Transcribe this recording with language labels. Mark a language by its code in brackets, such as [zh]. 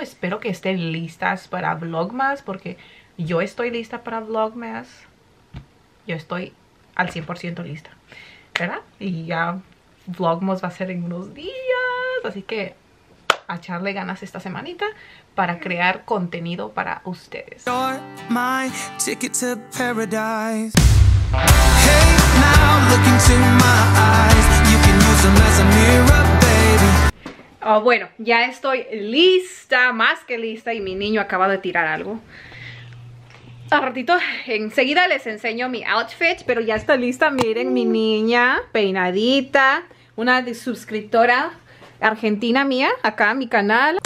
[es] Espero que estén listas para Vlogmas porque yo estoy lista para Vlogmas. Yo estoy al 100% lista, ¿verdad? Y ya Vlogmas va a ser en unos días, así que a echarle ganas esta semanita para crear contenido para ustedes. [en] You're my ticket to paradise. Hey, now look into my eyes. You can use them as a mirror, baby. [es] Oh, bueno, ya estoy lista, más que lista, y mi niño acaba de tirar algo. Al ratito, enseguida les enseño mi outfit, pero ya está lista. Miren, mi niña, peinadita, una de suscriptora argentina mía, acá en mi canal.